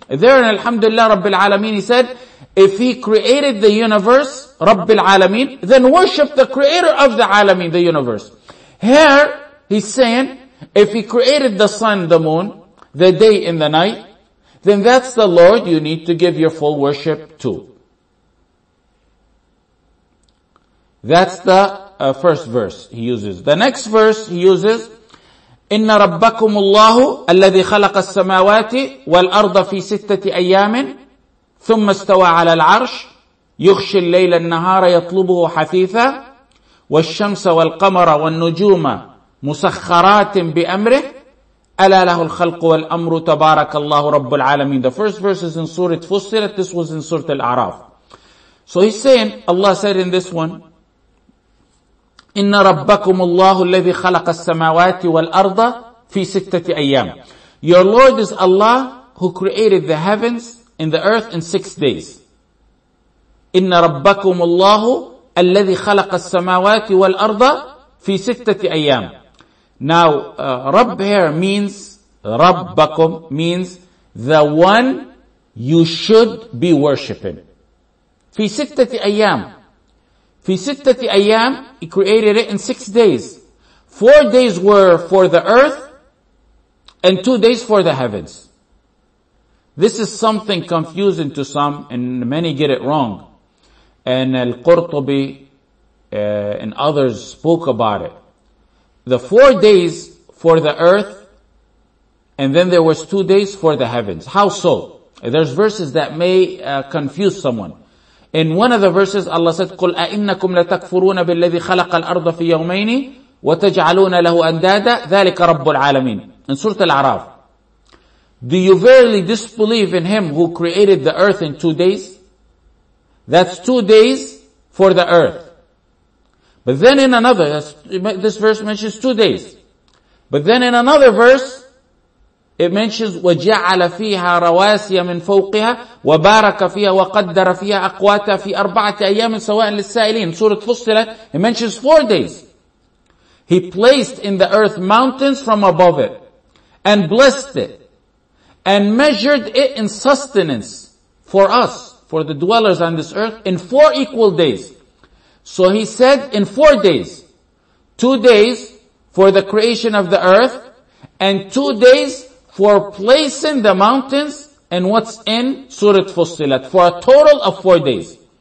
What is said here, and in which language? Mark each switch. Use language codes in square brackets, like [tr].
[en] There in [ar] Alhamdulillah Rabbil Alameen, [en] He said, if He created the universe, Rabbil Alameen, then worship the creator of the Alameen, the universe. Here, He's saying, if He created the sun, the moon, the day and the night, then that's the Lord you need to give your full worship to. That's the first verse He uses. [ar] The next verse He uses, إِنَّ رَبَّكُمُ اللَّهُ الَّذِي خَلَقَ السَّمَاوَاتِ وَالْأَرْضَ فِي سِتَّةِ أَيَّامٍ ثُمَّ اسْتَوَى عَلَى الْعَرْشِ يُخْشِ اللَّيْلَ النَّهَارَ يَطْلُبُهُ حَثِيثًا وَالشَّمْسَ وَالْقَمَرَ وَالنُّجُومَ مُسَخَّرَاتٍ بِأَمْرِهِ أَلَا لَهُ الْخَلْقُ وَالْأَمْرُ تَبَارَكَ اللَّهُ رَبُّ الْعَالَمِينَ. [en] The first verse is in Surah Fussilat. This was in Surah Al-A'raf. So He's saying, Allah said in this one, [ar] إِنَّ رَبَّكُمُ اللَّهُ الَّذِي خَلَقَ السَّمَاوَاتِ وَالْأَرْضَ فِي سِتَّةِ أَيَّامٍ. [en] Your Lord is Allah who created the heavens and the earth in 6 days. [ar] إِنَّ رَبَّكُمُ اللَّهُ الَّذِي خَلَقَ السَّمَاوَاتِ وَالْأَرْضَ فِي سِتَّةِ أَيَّامٍ. [en] Now, Rabb here means, رَبَّكُم means the one you should be worshipping. [ar] فِي سِتَّةِ أَيَّامٍ. في ستة أيام, [en] He created it in 6 days. 4 days were for the earth, and 2 days for the heavens. This is something confusing to some, and many get it wrong. And Al-Qurtubi and others spoke about it. The 4 days for the earth, and then there was 2 days for the heavens. How so? There's verses that may confuse someone. In one of the verses, Allah said, [ar] قُلْ أَإِنَّكُمْ لَتَكْفُرُونَ بِالَّذِي خَلَقَ الْأَرْضَ فِي يَوْمَيْنِ وَتَجْعَلُونَ لَهُ أَنْدَادًا ذَلِكَ رَبُّ الْعَالَمِينَ. [en] In Surah Al-A'raf. Do you verily disbelieve in Him who created the earth in 2 days? That's 2 days for the earth. But then in another, this verse mentions 2 days. But then in another verse, it mentions [ar] وَجَعَلَ فِيهَا رَوَاسِيَ مِنْ فَوْقِهَا وَبَارَكَ فِيهَا وَقَدَّرَ فِيهَا أَقْوَاتَ فِي أَرْبَعَةِ أَيَّامٍ سَوَاءً لِلسَّائِلِينَ. [en] Surah Fussilat, it mentions 4 days. He placed in the earth mountains from above it and blessed it and measured it in sustenance for us, for the dwellers on this earth, in 4 equal days. So He said in 4 days, 2 days for the creation of the earth, and 2 days for placing the mountains and what's in Surah Fussilat, for a total of 4 days.